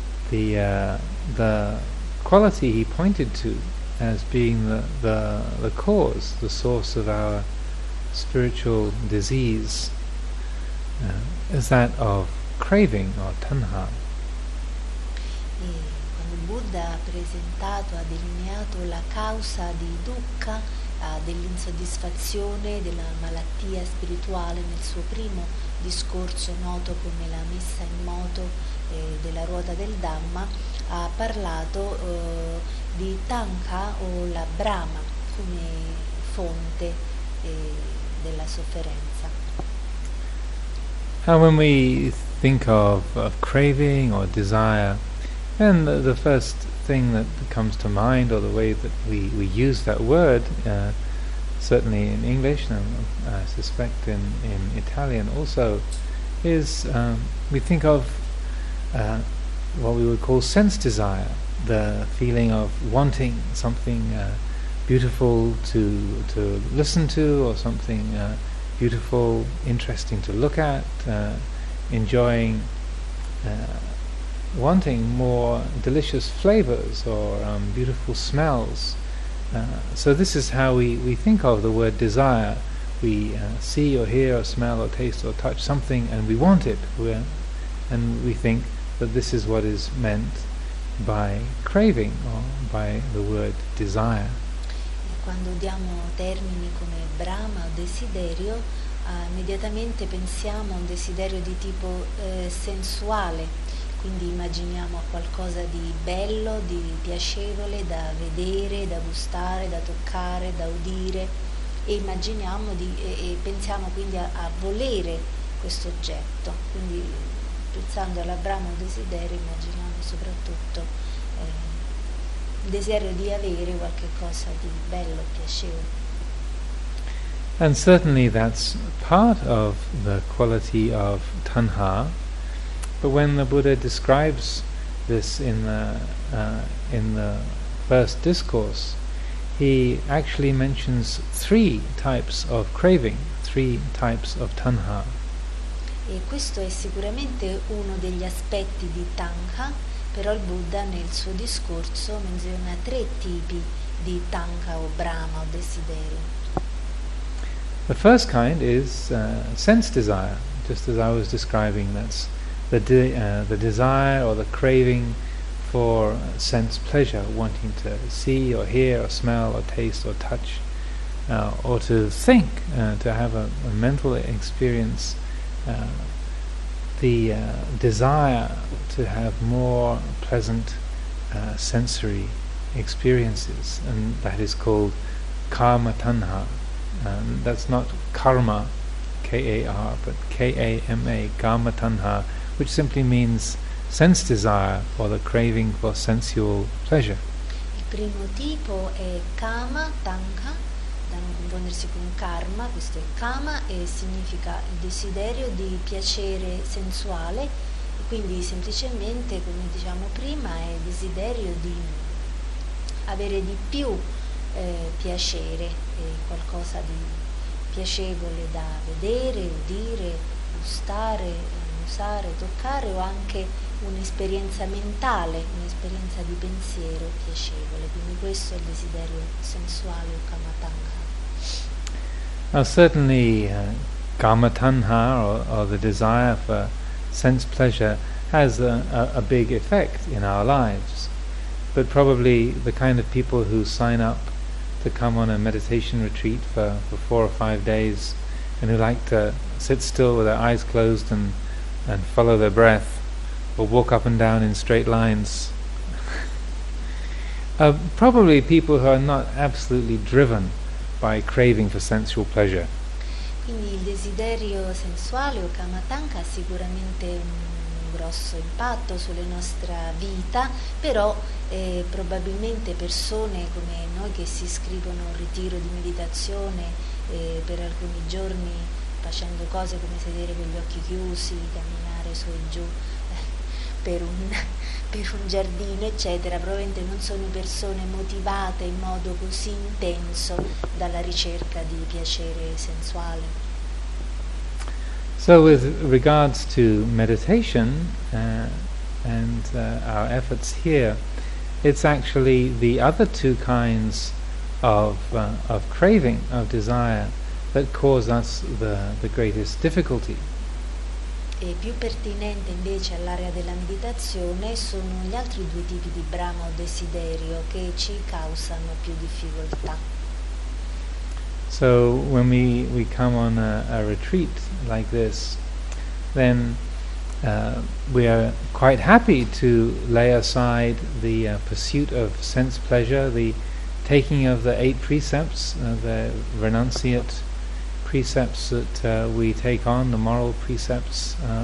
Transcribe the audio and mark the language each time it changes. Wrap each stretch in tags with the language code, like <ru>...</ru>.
<en>The quality he pointed to as being the cause, the source of our spiritual disease, is that of craving or tanha.</en> <it>E quando Buddha ha presentato, ha delineato la causa di dukkha, dell'insoddisfazione, della malattia spirituale nel suo primo discorso noto come la messa in moto della ruota del Dhamma, ha parlato di tanha o la brama come fonte della sofferenza.</it> <en>And when we think of craving or desire, then the first thing that comes to mind, or the way that we use that word, certainly in English, and I suspect in Italian also, is we think of what we would call sense desire, the feeling of wanting something beautiful to listen to, or something beautiful, interesting to look at, enjoying wanting more delicious flavors or beautiful smells. So this is how we think of the word desire. We see or hear or smell or taste or touch something and we want it. And we think that this is what is meant by craving or by the word desire.</en> <it>Quando diamo termini come brama o desiderio, immediatamente pensiamo a un desiderio di tipo sensuale. Quindi immaginiamo qualcosa di bello, di piacevole da vedere, da gustare, da toccare, da udire, e immaginiamo e pensiamo quindi a volere questo oggetto. Quindi pensando alla brama o desiderio, immaginiamo soprattutto desiderio di avere qualche cosa di bello, piacevole.</it> <en>And certainly that's part of the quality of tanha. But when the Buddha describes this in the first discourse, he actually mentions three types of craving, three types of tanha.</en> <it>E questo è sicuramente uno degli aspetti di tanha, però il Buddha nel suo discorso menziona tre tipi di tanha o brama o desiderio.</it> <en>The first kind is sense desire, just as I was describing this. The desire or the craving for sense pleasure, wanting to see or hear or smell or taste or touch or to think, to have a mental experience, the desire to have more pleasant sensory experiences, and that is called karma tanha. That's not karma, K-A-R, but K-A-M-A, karma tanha, which simply means sense desire or the craving for sensual pleasure.</en> <it>Il primo tipo è kama, tanha, da non confondersi con karma, questo è kama e significa il desiderio di piacere sensuale, quindi semplicemente, come diciamo prima, è il desiderio di avere di più piacere, qualcosa di piacevole da vedere, udire, gustare, usare, toccare, o anche un'esperienza mentale, un'esperienza di pensiero piacevole. Quindi questo è il desiderio sensuale o kamatanha.</it> <en>Now certainly kamatanha or the desire for sense pleasure has a big effect in our lives, but probably the kind of people who sign up to come on a meditation retreat for 4 or 5 days and who like to sit still with their eyes closed and follow their breath, or walk up and down in straight lines. Probably people who are not absolutely driven by craving for sensual pleasure.</en> <it>Quindi il desiderio sensuale o kamatanka ha sicuramente un grosso impatto sulla nostra vita, però probabilmente persone come noi che si iscrivono a un ritiro di meditazione per alcuni giorni facendo cose come sedere con gli occhi chiusi, camminare su e giù per un giardino, eccetera. Probabilmente non sono persone motivate in modo così intenso dalla ricerca di piacere sensuale.</it> <en>So with regards to meditation and our efforts here, it's actually the other two kinds of craving, of desire, that cause us the greatest difficulty.</en> <it>E più pertinente invece all'area della meditazione sono gli altri due tipi di brama o desiderio che ci causano più difficoltà.</it> <en>So when we come on a retreat like this, then we are quite happy to lay aside the pursuit of sense pleasure, the taking of the eight precepts, the renunciate precepts that we take on, the moral precepts.</en>